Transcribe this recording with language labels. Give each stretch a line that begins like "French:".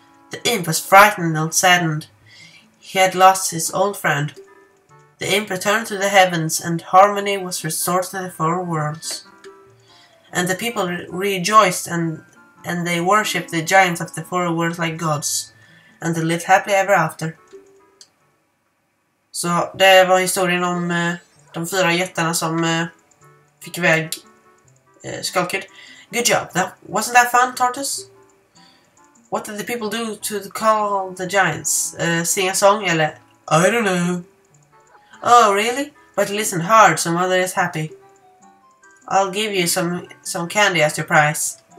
English: The imp was frightened and saddened. He had lost his old friend. The imp returned to the heavens and harmony was restored to the four worlds. And the people rejoiced and they worshipped the giants of the four worlds like gods. And they lived happily ever after.
Swedish: Så det var historien om de fyra jättarna som fick iväg Skulkid.
English: Good job. Wasn't that fun, Tortoise? What did the people do to call the giants? Sing a song
Swedish: eller?
English: I don't know. Oh, really? But listen hard so mother is happy. I'll give you some candy as your prize.